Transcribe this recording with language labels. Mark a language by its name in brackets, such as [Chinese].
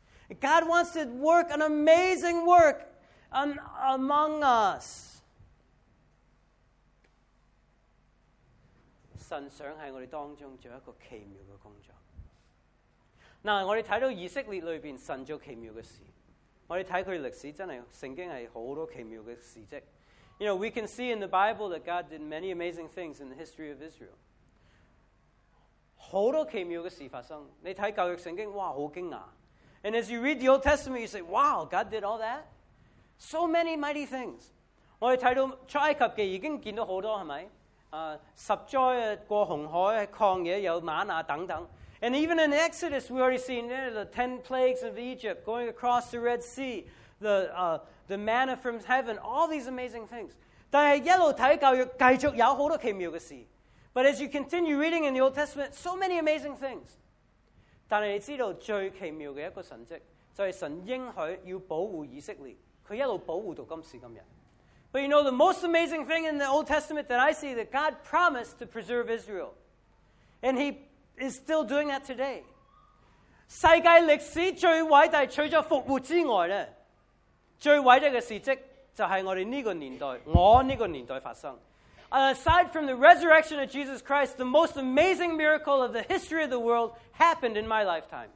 [English] God wants to work an amazing work among us. [Chinese] 神想在我们当中做一个奇妙的工作。那我们看到以色列里面神做奇妙的事，我们看他的历史，真的圣经是很多奇妙的事迹。 [English] You know, we can see in the Bible that God did many amazing things in the history of Israel. [Chinese] 很多奇妙的事发生，你看旧约圣经，哇，很惊讶。 [English] And as you read the Old Testament, you say, wow, God did all that? So many mighty things. [Chinese] 我们看到出埃及记已经见到很多，是不是？十灾过红海，旷野有玛拿等等。 [English] And even in Exodus, we already seen the 10 plagues of Egypt, going across the Red Sea, the manna from heaven, all these amazing things. [Chinese] 但是一路看教育，继续有很多奇妙的事。 [English] But as you continue reading in the Old Testament, so many amazing things. [Chinese] 但是你知道最奇妙的一个神迹，就是神应许要保护以色列，他一路保护到今时今日。 [English] But you know, the most amazing thing in the Old Testament that I see, that God promised to preserve Israel, and he is still doing that today. [Chinese] 世界历史最伟大，除了复活之外呢，最伟大的事迹就是我们这个年代，我这个年代发生。 [English] And aside from the resurrection of Jesus Christ, the most amazing miracle of the history of the world happened in my lifetime.